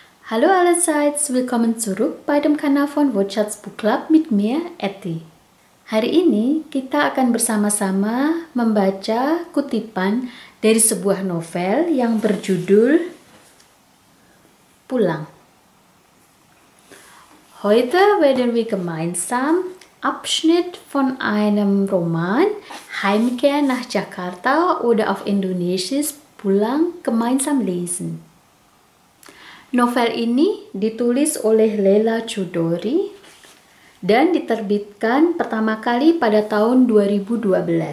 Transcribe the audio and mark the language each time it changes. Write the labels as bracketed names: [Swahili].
[German] Halo Allensides, willkommen zurück bei dem Kanal von World Chats Book Club mit mir, Etty. [Indonesian] Hari ini kita akan bersama-sama membaca kutipan dari sebuah novel yang berjudul Pulang. [German] Heute werden wir gemeinsam Abschnitt von einem Roman Heimkehr nach Jakarta oder auf Indonesisch Pulang gemeinsam lesen. [Indonesian] Novel ini ditulis oleh Leila Chudori dan diterbitkan pertama kali pada tahun 2012.